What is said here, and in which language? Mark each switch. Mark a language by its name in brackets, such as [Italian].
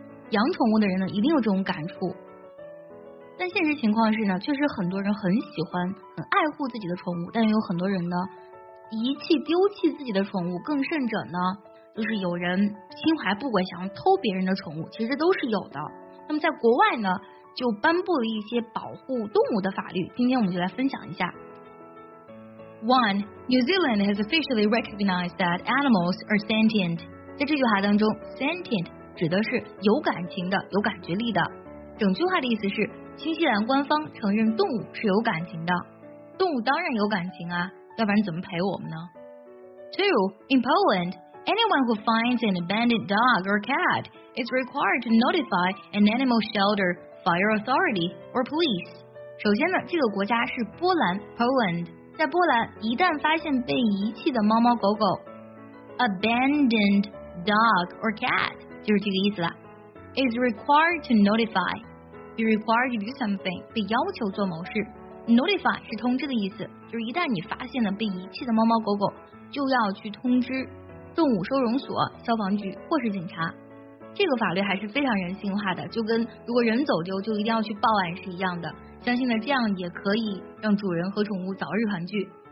[Chinese] 养宠物的人呢，一定有这种感触。但现实情况是呢，确实很多人很喜欢、很爱护自己的宠物，但也有很多人呢，遗弃、丢弃自己的宠物，更甚者呢，就是有人心怀不轨，想要偷别人的宠物，其实都是有的。那么在国外呢，就颁布了一些保护动物的法律，今天我们就来分享一下。 [English] One, New Zealand has officially recognized that animals are sentient. [Chinese] 在这句话当中 ，sentient。指的是有感情的、有感觉力的。整句话的意思是，新西兰官方承认动物是有感情的。动物当然有感情啊，要不然怎么陪我们呢 ？ [English] Two, in Poland, anyone who finds an abandoned dog or cat is required to notify an animal shelter, fire authority, or police. [Chinese] 首先呢，这个国家是波兰 ，Poland。在波兰，一旦发现被遗弃的猫猫狗狗 ， [English] abandoned dog or cat。 [Chinese] 就是这个意思了 [English] is required to notify be required to do something [Chinese] 被要求做某事 notify 是通知的意思就是一旦你发现了被遗弃的猫猫狗狗就要去通知动物收容所消防局或是警察这个法律还是非常人性化的就跟如果人走丢就一定要去报案是一样的相信呢这样也可以让主人和宠物早日团聚